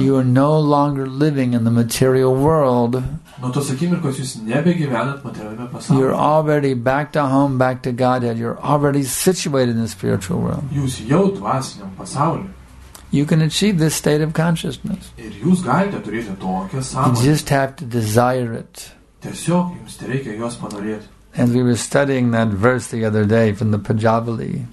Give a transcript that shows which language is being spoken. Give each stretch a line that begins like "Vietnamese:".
English: You are no longer living in the material world.
Lithuanian: Nuo tos akimirkos jūs nebegyvenat materialiame pasaulyje.
English: You're already back to home, back to Godhead. You're already situated in the spiritual world.
Lithuanian: Jūs jau dvasiniam pasaulyje.
English: You can achieve this state of consciousness.
Lithuanian: Ir jūs galite turėti tokią sąmonę.
English: You just have to desire it.
Lithuanian: Tiesiog jums reikia jos panorėti.
English: And we were studying that verse the other day from the Panjavali.